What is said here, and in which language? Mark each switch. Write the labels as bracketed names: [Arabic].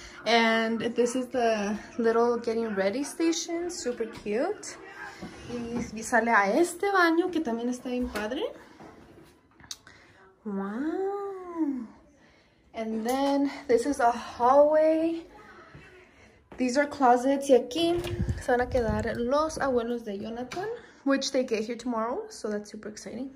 [English] And this is the little getting ready station. Super cute. [Spanish] Y sale a este baño que también está bien padre. [English] Wow. And then this is a hallway. These are closets. [Spanish] Y aquí se van a quedar los abuelos de Jonathan. [English] Which they get here tomorrow, so that's super exciting.